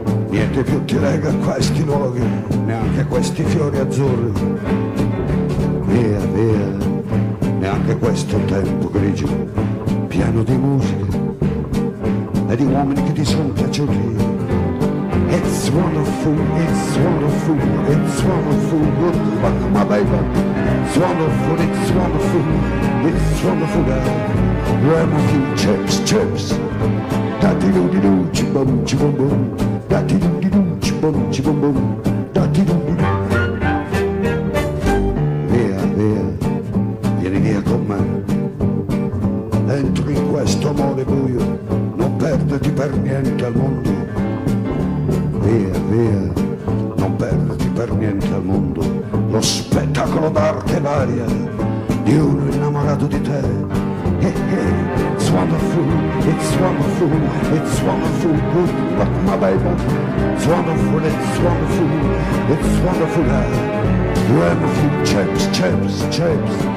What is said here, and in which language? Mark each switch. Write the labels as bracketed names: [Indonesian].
[Italian] Niente più ti lega a questi luoghi, neanche questi fiori azzurri. Via, via, neanche questo tempo grigio, pieno di musica e di uomini che ti sono piaciuti. [English] It's wonderful, it's wonderful, it's wonderful, good luck, my baby. It's wonderful, it's wonderful, it's wonderful, girl. Grab a few chips, chips. Da-di-do-di-doo, chi-bum, chi-bum-bum. Da-di-do-di-doo, chi-bum, chi-bum-bum. Da-di-do-di-doo. [Italian] Via, via, vieni via con me. Entri in questo amore buio, non perderti per niente al mondo. Via, via, non perderti per niente al mondo. Lo spettacolo d'arte varia di uno innamorato di te. [English] Hey, hey, it's wonderful, it's wonderful, it's wonderful, good luck, my baby. It's wonderful, it's wonderful, wonderful chips, chips, chips.